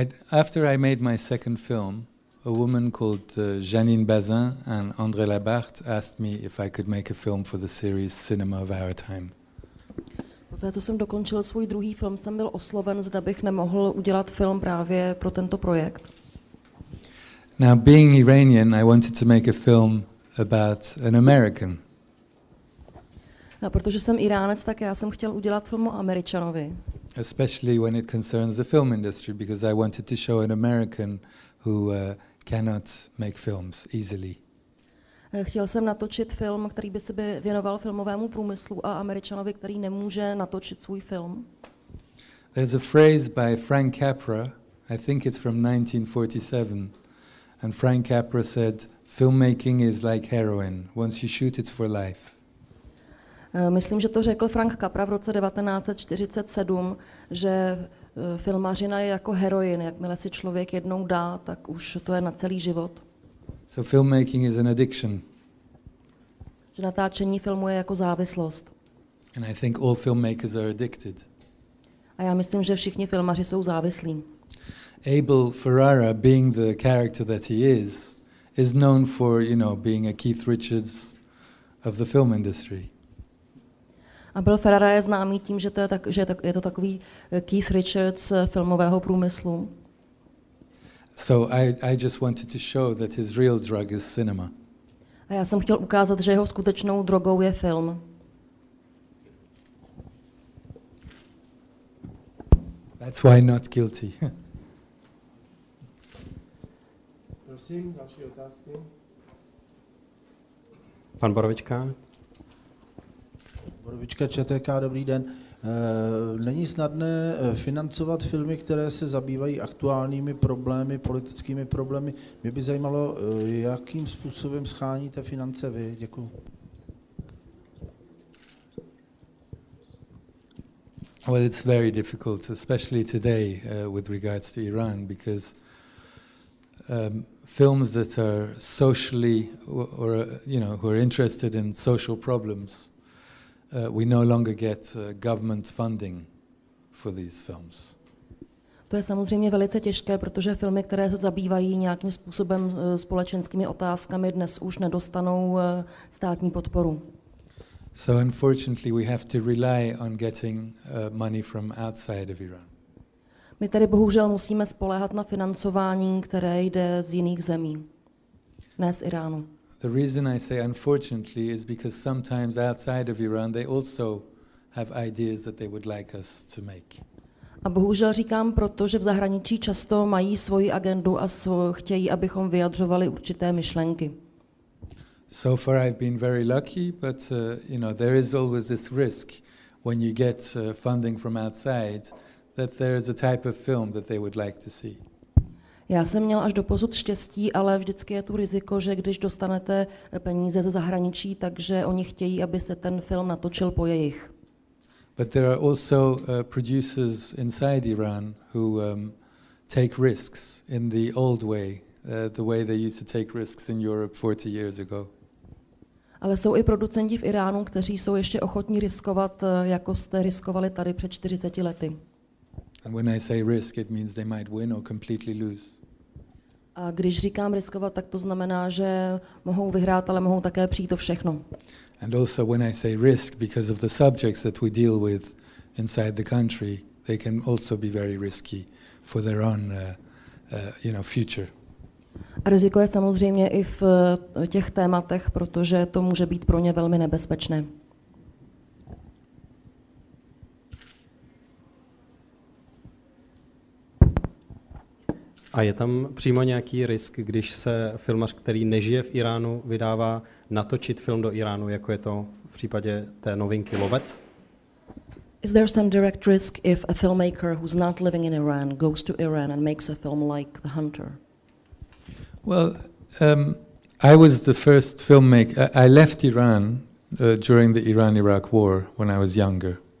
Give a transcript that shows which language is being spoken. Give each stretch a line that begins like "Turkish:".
English: After I made my second film, a woman called Janine Bazin and André Labarthe asked me if I could make a film for the series Cinema of Our Time.
Czech: Poté, co jsem dokončil svůj druhý film, jsem byl osloven, zda bych nemohl udělat film právě pro tento projekt.
English: Now, being Iranian, I wanted to make a film about an American.
Czech: A protože jsem Iránec, tak já jsem chtěl udělat film o Američanovi.
English: Especially when it concerns the film industry, because I wanted to show an American who cannot make films easily.
Czech: Chtěl jsem natočit film, který by se věnoval filmovému průmyslu a Američanovi, který nemůže natočit svůj film.
English: There's a phrase by Frank Capra, I think it's from 1947, and Frank Capra said, filmmaking is like heroin, once you shoot it's for life.
Czech: Myslím, že to řekl Frank Capra v roce 1947, že filmařina je jako heroin, jakmile si člověk jednou dá, tak už to je na celý život.
English: So filmmaking is an addiction.
Czech: Že natáčení filmu je jako závislost.
English: And I think all filmmakers are addicted.
Czech: A já myslím, že všichni filmaři jsou závislí.
English: Abel Ferrara, being the character that he is known for, you know, being a Keith Richards of the film industry.
Czech: Abel Ferrara je známý tím, že to je tak, že je to takový Keith Richards filmového průmyslu.
English: So I just wanted to show that his real drug is cinema.
Czech: A já jsem chtěl ukázat, že jeho skutečnou drogou je film.
English: That's why not guilty.
Czech: Prosím, další otázky. Pan Borovička. Borovička, ČTK, dobrý den. Není snadné financovat filmy, které se zabývají aktuálními problémy, politickými problémy. Mě by zajímalo, jakým způsobem scháníte finance vy. Děkuju.
English: Well, it's very difficult, especially today with regards to Iran, because films that are socially or you know, who are interested in social problems, we no longer get government funding for these films.
Czech: To je samozřejmě velice těžké, protože filmy, které se zabývají nějakým způsobem společenskými otázkami, dnes už nedostanou státní podporu.
English: So unfortunately we have to rely on getting money from outside of Iran.
Czech: My tady bohužel musíme spoléhat na financování, které jde z jiných zemí, ne z Iránu.
English: The reason I say unfortunately is because sometimes outside of Iran they also have ideas that they would like us to make.
Czech: A bohužel říkám proto, že v zahraničí často mají svoji agendu a chtějí, abychom vyjadřovali určité myšlenky.
English: So far I've been very lucky, but you know, there is always this risk when you get funding from outside that there is a type of film that they would like to see.
Czech: Já jsem měl až doposud štěstí, ale vždycky je tu riziko, že když dostanete peníze ze zahraničí, takže oni chtějí, abyste ten film natočil po jejich.
English: But there are also producers inside Iran who take risks in the old way, the way they used to take risks in Europe 40 years ago.
Czech: ale jsou i producenti v Iránu, kteří jsou ještě ochotní riskovat, jako jste riskovali tady před 40 lety.
English: And when I say risk, it means they might win or completely lose.
Czech: A když říkám riskovat, tak to znamená, že mohou vyhrát, ale mohou také přijít o všechno.
English: And also when I say risk, because of the subjects that we deal with inside the country, they can also be very risky for their own future.
Czech: A riziko je samozřejmě i v těch tématech, protože to může být pro ně velmi nebezpečné. A je tam přímo nějaký risk, když se filmař, který nežije v Iránu, vydává natočit film do Iránu, jako je to v případě té novinky Lovec?
English: Is there some direct risk if a filmmaker who's not living in Iran goes to Iran and makes a film like The Hunter? Well, I was the first filmmaker. I left Iran during the Iran-Iraq war when I was younger.